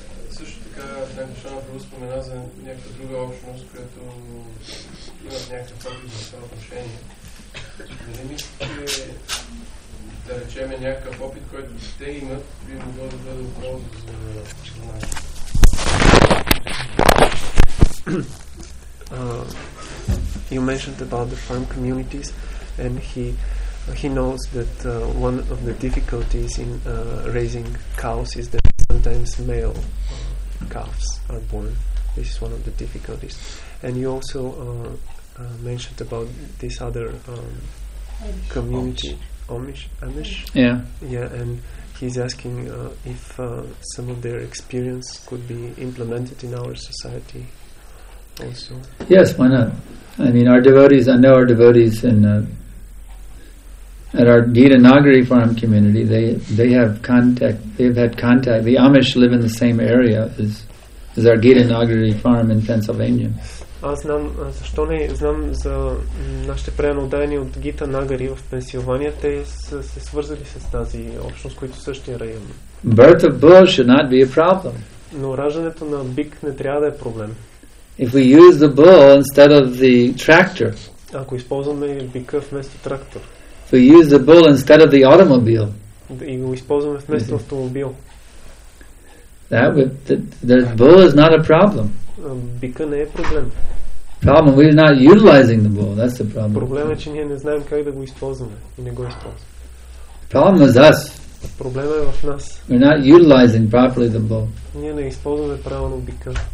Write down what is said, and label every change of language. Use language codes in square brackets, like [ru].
[bg] Също така, Шана Прабу спомена за някаква друга общност, която имат някакъв опит за това отношение. Не мислите, да речем, някакъв опит, който те имат, би могло да бъде полза за нас? [en] You mentioned about the farm communities, and he knows that one of the difficulties in raising cows is that sometimes male calves are born. This is one of the difficulties. And you also mentioned about this other community, Amish. Yeah. And he's asking if some of their experience could be implemented in our society. Also. Yes, why not? I mean, our devotees, I know our devotees in at our Gita Nagari farm community, they have contact, they've had contact. The Amish live in the same area as our Gita Nagari farm in Pennsylvania. [bg] Аз знам, защо не знам за нашите преноудани от Гита Нагари в Пенсилвания, те са се свързали с тази общност, които същия район. [en] Birth of bull should not be a problem. [bg] Но раждането на бик не трябва да е проблем. [en] If we use the bull instead of the tractor. [bg] Ако използваме бика вместо трактор. [en] If we use the bull instead of the automobile. [bg] И го използваме вместо автомобил. [en] That would, the bull is not a problem. [bg] Бика не е проблем. [en] Problem, we are not utilizing the bull. That's the problem. [bg] Проблемът е, че ние не знаем как да го използваме и не го използваме. [en] Problem is us. [bg] Проблемът е в нас. [en] We're not utilizing properly the bull. [bg] Ние не използваме правилно бика.